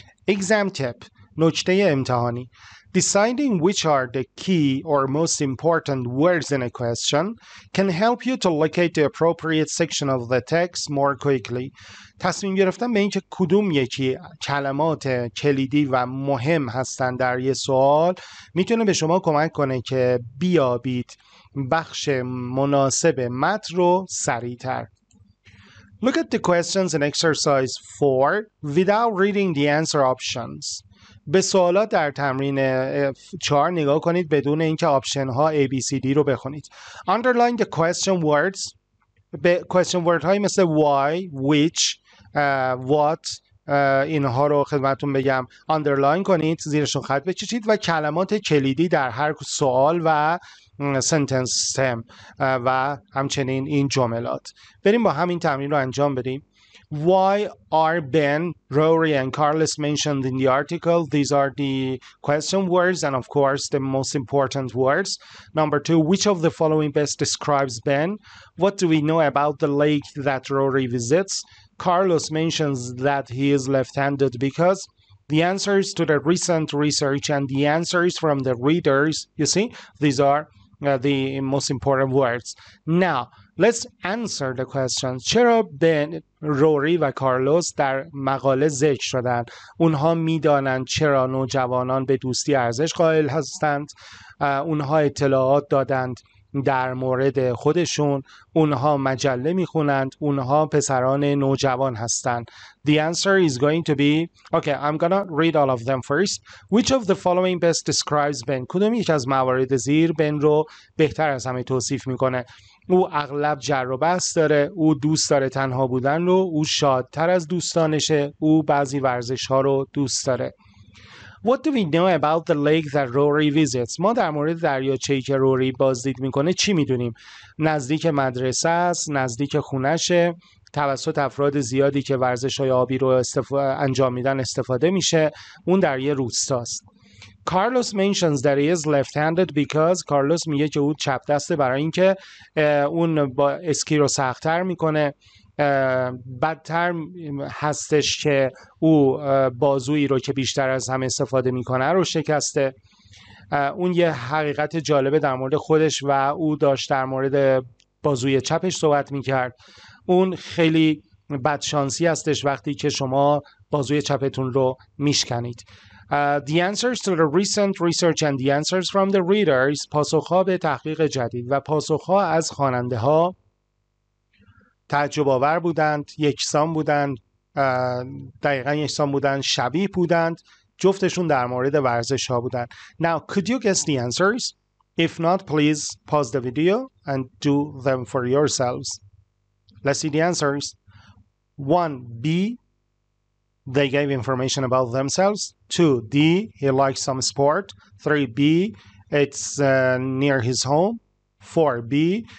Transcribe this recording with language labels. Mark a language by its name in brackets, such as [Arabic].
[English] Exam tip، [Persian] نکته امتحانی. [English] Deciding which are the key or most important words in a question can help you to locate the appropriate section of the text more quickly. [Persian] تصمیم گرفتن به اینکه کدوم یکی کلمات کلیدی و مهم هستند در یه سوال میتونه به شما کمک کنه که بیابید بخش مناسب متن رو سریع‌تر. [English] Look at the questions in exercise 4 without reading the answer options. [Persian] به سوالات در تمرین 4 نگاه کنید بدون اینکه آپشن ها A, B, C, D رو بخونید. [English] Underline the question words. به question words [Persian] هایی مثل [English] why, which, what [Persian] اینها رو خدمتون بگم. Underline کنید، زیرشون خط بکشید و کلمات کلیدی در هر سوال و sentence stem و همچنین این جملات. بریم با همین تمرین رو انجام بدیم. [English] Why are Ben, Rory and Carlos mentioned in the article? These are the question words and of course the most important words. Number two, which of the following best describes Ben? What do we know about the lake that Rory visits? Carlos mentions that he is left-handed because the answers to the recent research and the answers from the readers, you see, these are the most important words. Now, let's answer the question. [Persian] چرا بن، روری و کارلوس در مقاله ذکر شدن؟ اونها میدانند چرا نوجوانان به دوستی ارزش قائل هستند. اونها اطلاعات دادند در مورد خودشون. اونها مجله میخونند. اونها پسران نوجوان هستند. [English] The answer is going to be... Okay, I'm gonna read all of them first. Which of the following best describes Ben? [Persian] کدوم یک از موارد زیر بن رو بهتر از همه توصیف میکنه؟ او اغلب جر و بحث داره، او دوست داره تنها بودن رو، او شادتر از دوستانشه، او بعضی ورزش ها رو دوست داره. [English] What do we know about the lake that Rory visits? [Persian] ما در مورد دریاچه‌ای که روری بازدید میکنه چی میدونیم؟ نزدیک مدرسه است، نزدیک خونشه، توسط افراد زیادی که ورزش های آبی رو انجام میدن استفاده میشه، اون در یه روستاست. [English] Carlos mentions that he is left-handed because [Persian] Carlos میگه که او چپ دسته برای اینکه اون با اسکی رو سخت‌تر می‌کنه، بدتر هستش که او بازویی رو که بیشتر از همه استفاده می‌کنه رو شکسته. اون یه حقیقت جالبه در مورد خودش و او داشت در مورد بازوی چپش صحبت می‌کرد. اون خیلی بدشانسی هستش وقتی که شما بازوی چپتون رو می‌شکنید. [English] The answers to the recent research and the answers from the readers, [Persian] پاسخ‌ها به تحقیق جدید و پاسخ‌ها از خواننده‌ها تعجب‌آور بودند، یکسان بودند، دقیقاً یکسان بودند، شبیه بودند، جفتشون در مورد ورزش‌ها بودند. [English] Now, could you guess the answers? If not, please pause the video and do them for yourselves. Let's see the answers. 1. B. They gave information about themselves. 2. D. He likes some sport. 3. B. It's near his home. 4. B.